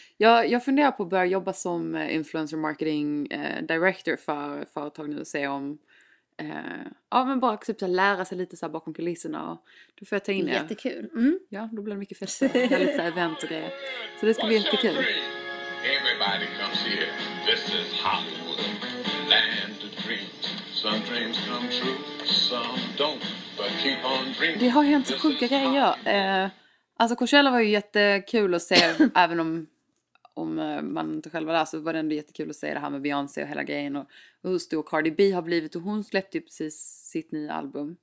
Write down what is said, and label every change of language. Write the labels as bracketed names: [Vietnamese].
[Swedish] Jag funderar på att börja jobba som influencer marketing director för företag nu och se om ja, men bara typ att lära sig lite så här bakom kulisserna. Och då får jag ta in det. Jättekul. Mm. Ja, då blir det mycket fester. Lite så här event och grejer. Så det ska bli jättekul. [English] Everybody comes here. This is Hollywood, land of dreams. Some dreams come true, some don't. [Swedish] Det har hänt så sjuka grejer. Alltså Coachella var ju jättekul att se. Även om man inte själv var där, så var det ändå jättekul att se det här med Beyoncé och hela grejen. Och hur stor Cardi B har blivit. Och hon släppte ju precis sitt nya album.